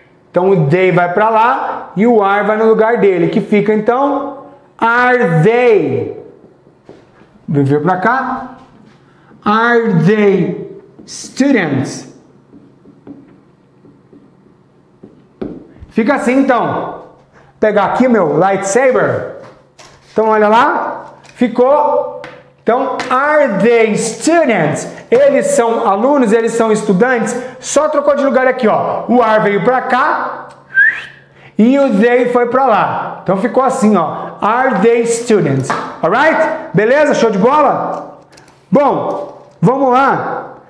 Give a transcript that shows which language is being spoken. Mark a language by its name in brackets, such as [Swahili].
[Portuguese] Então o they vai para lá e o are vai no lugar dele, que fica então [English] are they. [Portuguese] Viu para cá? [English] Are they students? [Portuguese] Fica assim então. Vou pegar aqui meu lightsaber. Então olha lá, ficou. [English] Então, are they students? [Portuguese] Eles são alunos, eles são estudantes. Só trocou de lugar aqui, ó. O are veio para cá e o they foi para lá. Então ficou assim, ó. [English] Are they students? Alright? [Portuguese] Beleza? Show de bola? Bom, vamos lá.